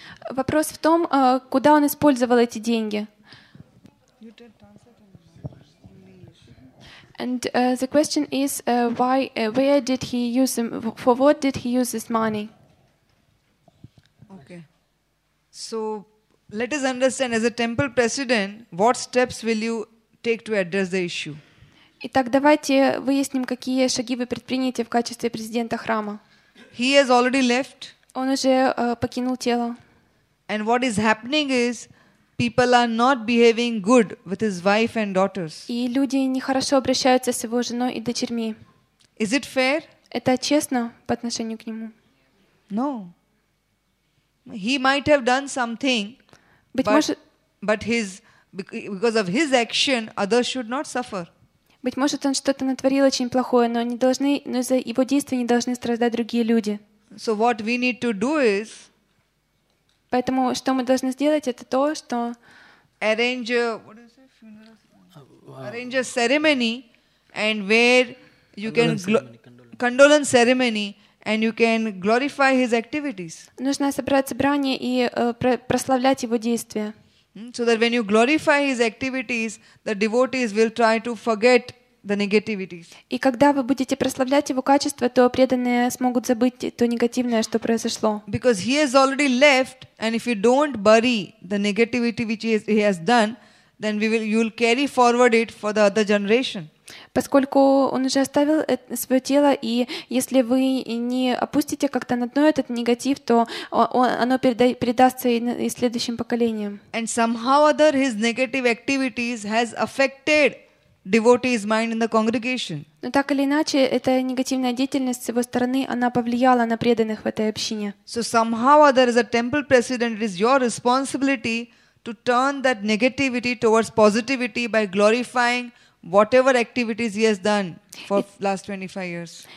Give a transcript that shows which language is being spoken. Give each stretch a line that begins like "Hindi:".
Russian: Вопрос в том, куда он использовал эти деньги.
English: And the question is why where did he use them, for what did he use this money? Okay. So let us understand as a temple president, what steps will you take to address the issue?
Russian: Итак, давайте выясним, какие шаги вы предприняете в качестве президента храма.
English: He has already left.
Russian: Он уже покинул тело.
English: And what is happening is people are not behaving good with his wife and daughters.
Russian: И люди нехорошо обращаются с его женой и дочерьми.
English: Is it fair?
Russian: Это честно по отношению к нему?
English: No. He might have done something, but his because of his action, others should not suffer.
Russian: Быть может, он что-то натворил очень плохое, но не должны, но из-за его действий не должны страдать другие люди.
English: So what we need to do is.
Russian: Поэтому что мы должны сделать, это то, что
English: arrange a, what is it, funeral ceremony. Arrange a ceremony and where you condolence ceremony and you can glorify his activities.
Russian: Нужно собрать собрание и прославлять его действия.
English: So that when you glorify his activities, the devotees will try to forget the negativities.
Russian: И когда вы будете прославлять его качества, то преданные смогут забыть то негативное, что произошло.
English: Because he has already left, and if you don't bury the negativity which he has done, then you'll carry forward it for the other generation.
Russian: Поскольку он уже оставил свое тело, и если вы не опустите как-то на дно этот негатив, то оно передастся и следующим поколениям.
English: And somehow other his negative activities has affected devotee's mind in the congregation.
Russian: Но так или иначе, эта негативная деятельность с его стороны, она повлияла на преданных в этой общине.
English: So somehow or other, as a temple president, it is your responsibility to turn that negativity towards positivity by glorifying whatever activities he has done for last 25 years.